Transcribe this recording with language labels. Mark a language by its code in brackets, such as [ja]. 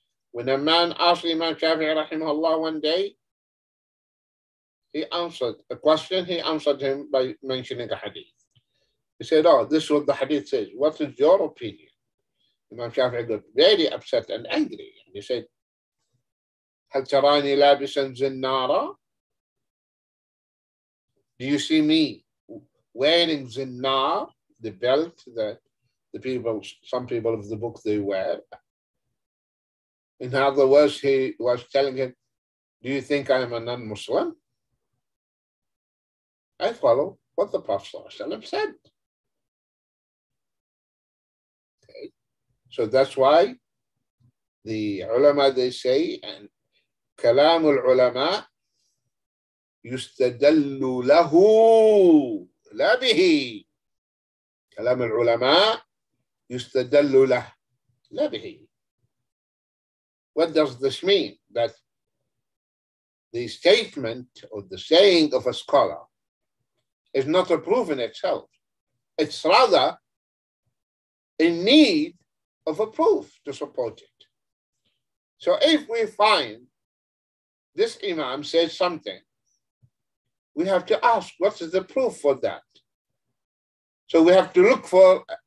[en] When a man asked Imam Shafi'i rahimahullah one day, he answered a question, he answered him by mentioning a hadith. He said, oh, this is what the hadith says. What is your opinion? Imam Shafi'i got very upset and angry. And he said, [ar] هَلْ تَرَانِي لَابِسًا زِنَّارًا? [en] Do you see me wearing zinnar, the belt that the people, some people of the book, they wear? In other words, he was telling him, do you think I am a non-Muslim? I follow what the Prophet ﷺ said. Okay. So that's why the ulama, they say, and [ar] kalamul ulama, yustadallu lahu. لا به كلام العلماء يستدل له لا به. [en] What does this mean? That the statement or the saying of a scholar is not a proof in itself. It's rather in need of a proof to support it. So if we find this imam says something, we have to ask, what is the proof for that? So we have to look for